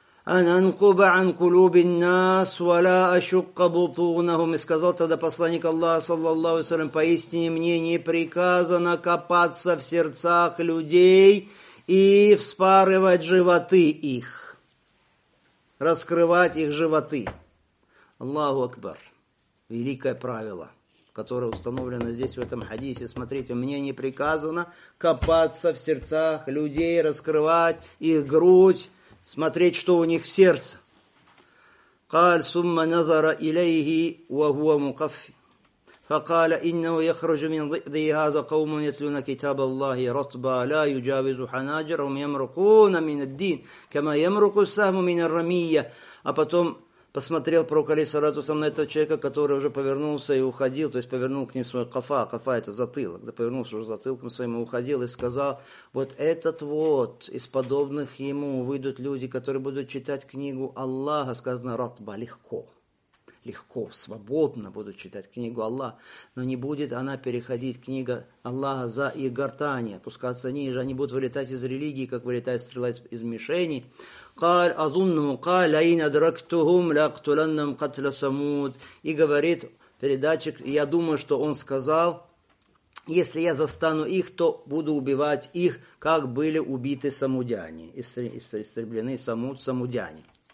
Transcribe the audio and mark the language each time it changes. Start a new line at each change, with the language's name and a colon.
Arabic: «Ан анкуба ан кулубин нас, вала ашукка бутунахум».
Russian: И сказал тогда посланник Аллаха, саллаллаху алейхи, «Поистине мне не приказано копаться в сердцах людей и вспарывать животы их, раскрывать их животы». Аллаху Акбар. Великое правило, которое установлено здесь в этом хадисе. Смотрите, мне не приказано копаться в сердцах людей, раскрывать их грудь, смотреть, что у них в сердце.
Arabic: قال ثم نظر إليه وهو مقف فقال إنه يخرج من ضئضي هذا قوم يتلون كتاب الله رطبا لا يجاوز حناجرهم يمرقون من الدين كما يمرق السهم من الرمية.
Russian: А потом посмотрел пророк, алейхиссалату вассалям, на этого человека, который уже повернулся и уходил, то есть повернул к ним свой кафа, кафа это затылок, да, повернулся уже затылком своим и уходил, и сказал, вот этот вот, из подобных ему выйдут люди, которые будут читать книгу Аллаха, сказано, ратба, легко, легко, свободно будут читать книгу Аллаха, но не будет она переходить, книга Аллаха, за их гортани, опускаться ниже, они будут вылетать из религии, как вылетает стрела из мишени.
Arabic: قال أظنه قال لئن أدركتهم لأقتلنهم قتل صمود.
Russian: И говорит передатчик, я думаю, что он сказал, если я застану их, то буду убивать их, как были убиты самудяне, истреблены самудяне.